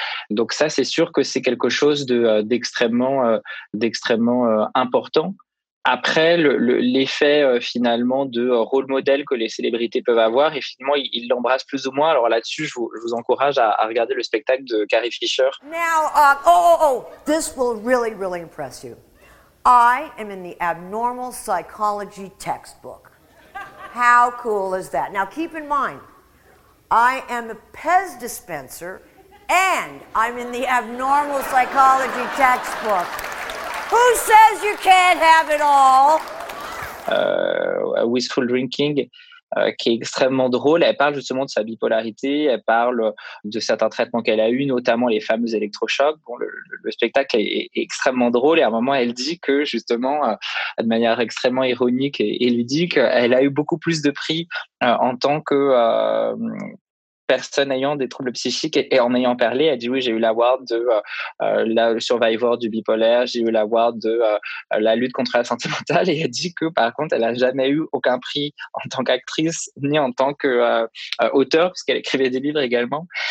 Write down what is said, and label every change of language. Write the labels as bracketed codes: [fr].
[fr] Donc ça, c'est sûr que c'est quelque chose d'extrêmement important. Après, l'effet finalement de rôle modèle que les célébrités peuvent avoir, et finalement, ils l'embrassent plus ou moins. Alors là-dessus, je vous encourage à regarder le spectacle de Carrie Fisher. [en] Now, oh, this will really, really impress you. I am in the abnormal psychology textbook. How cool is that? Now, keep in mind, I am a Pez dispenser and I'm in the abnormal psychology textbook. Who says you can't have it all? [fr] Wistful Drinking, qui est extrêmement drôle. Elle parle justement de sa bipolarité. Elle parle de certains traitements qu'elle a eus, notamment les fameux électrochocs. Bon, le spectacle est extrêmement drôle. Et à un moment, elle dit que justement, de manière extrêmement ironique et ludique, elle a eu beaucoup plus de prix en tant que personne ayant des troubles psychiques et en ayant parlé, elle dit oui, j'ai eu l'award de Survivor du bipolaire, j'ai eu l'award de la lutte contre la santé mentale et elle dit que par contre, elle n'a jamais eu aucun prix en tant qu'actrice ni en tant qu'auteur puisqu'elle écrivait des livres également.